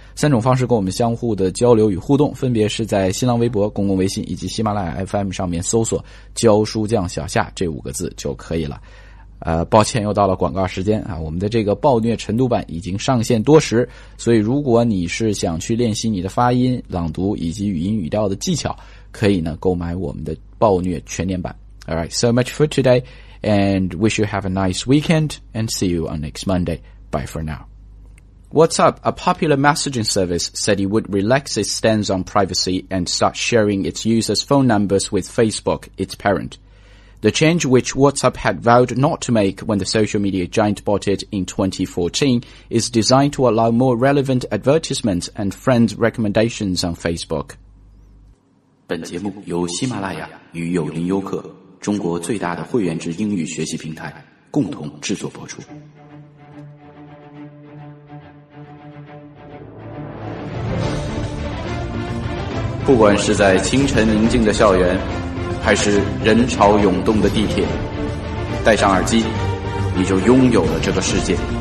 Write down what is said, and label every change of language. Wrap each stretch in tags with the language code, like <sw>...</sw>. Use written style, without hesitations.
<zh>三种方式跟我们相互的交流与互动，分别是在新浪微博、公共微信以及喜马拉雅 FM 上面搜索教书匠小夏这五个字就可以了。抱歉，又到了广告时间啊！我们的这个暴虐晨读版已经上线多时，所以如果你是想去练习你的发音、朗读以及语音语调的技巧，可以呢购买我们的暴虐全年版。</zh> <en>All right, so much for today, and wish you have a nice weekend, and see you on next Monday. Bye for now. What's up? A popular messaging service said it would relax its stance on privacy and start sharing its users' phone numbers with Facebook, its parent. The change, which WhatsApp had vowed not to make when the social media giant bought it in 2014, is designed to allow more relevant advertisements and friend recommendations on Facebook.</en> <zh>本节目由喜马拉雅与有林优客，中国最大的会员制英语学习平台，共同制作播出。不管是在清晨宁静的校园，还是人潮涌动的地铁，戴上耳机，你就拥有了这个世界。</zh>